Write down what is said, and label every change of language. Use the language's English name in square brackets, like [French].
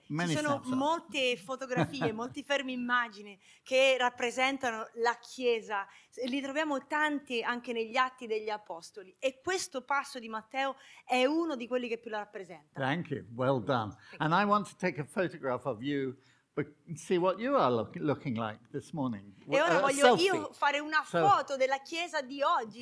[Italian] Many ci sono molte fotografie, molti fermi immagini che rappresentano la Chiesa. Li troviamo tanti anche negli Atti degli Apostoli. E questo passo di Matteo è uno di quelli che più la rappresenta. [English] Thank you. Well done. And I want to take a photograph of you. See what you are looking like this morning. [Italian] E ora voglio selfie. Io fare una foto della chiesa di oggi.